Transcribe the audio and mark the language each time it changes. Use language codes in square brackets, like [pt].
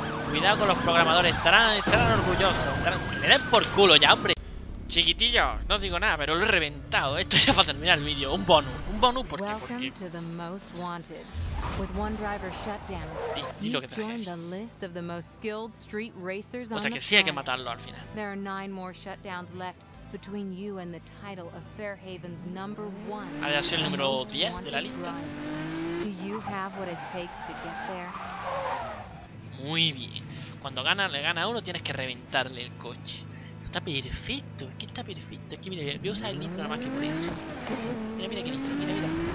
[es] Cuidado con los programadores, estarán orgullosos. Estarán... ¡Que le den por culo ya, hombre! Chiquitillos, no digo nada, pero lo he reventado. Esto ya va a terminar el vídeo. Un bonus. Un bonus porque... [en] Welcome to the most wanted. With one driver shut down, you joined the list of the most skilled street racers on the planet. [es] O sea que sí hay que matarlo al final. [en] There are 9 more shutdowns left between you and the title of Fairhaven's number one. [es] Ah, ya soy el número 10 de la lista. [en] Do you have what it takes to get there? [es] Muy bien. Cuando gana, le gana a uno, tienes que reventarle el coche. Está perfecto, es que está perfecto. Es que mira, voy a usar el nitro nada más que por eso. Mira, mira qué nitro, mira, mira.